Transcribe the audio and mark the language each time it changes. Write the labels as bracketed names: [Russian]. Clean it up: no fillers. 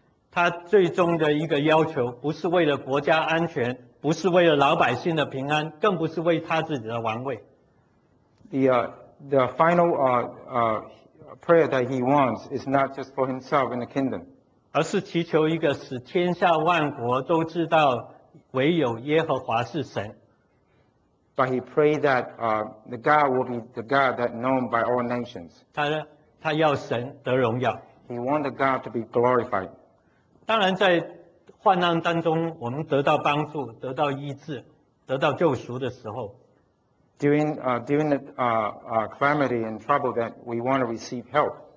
[Chinese] 他最终的一个要求不是为了国家安全。不是为了老百姓的平安，更不是为他自己的王位。 [English] The final prayer that he wants is not just for himself in the kingdom. [Chinese] 而是祈求一个使天下万国都知道唯有耶和华是神。 [English] But he prayed that the God will be the God that known by all nations. [Chinese] 他要神得荣耀。 [English] He wanted God to be glorified. [Chinese] 当然在 患难当中，我们得到帮助，得到医治，得到救赎的时候 [English] ，during the calamity and trouble that we want to receive help.